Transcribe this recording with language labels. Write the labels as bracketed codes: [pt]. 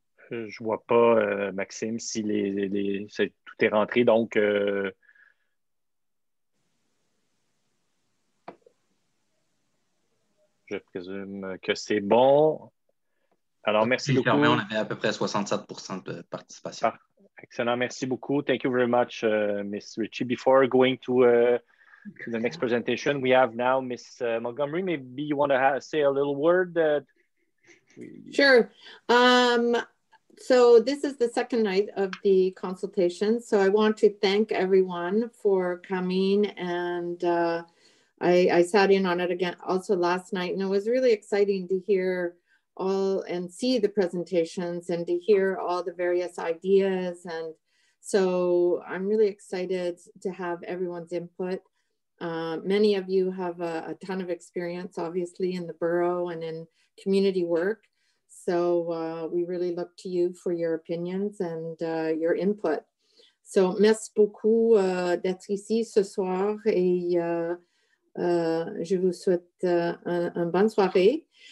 [fr] Je vois pas, Maxime, si tout est rentré, donc. Je présume que c'est bon. Alors, merci beaucoup. Fermé, on avait à peu près 67% de participation. Ah, excellent, merci beaucoup. [en] Thank you very much, Ms. Ritchie. Before going to the next presentation, we have now Ms. Montgomery. Maybe you want to say a little word? Sure. So this is the second night of the consultation. So I want to thank everyone for coming, and I sat in on it again also last night, and it was really exciting to hear all and see the presentations and to hear all the various ideas. And so I'm really excited to have everyone's input. Many of you have a ton of experience, obviously, in the borough and in community work. So we really look to you for your opinions and your input. [fr] So merci beaucoup d'être ici ce soir, et je vous souhaite un bonne soirée.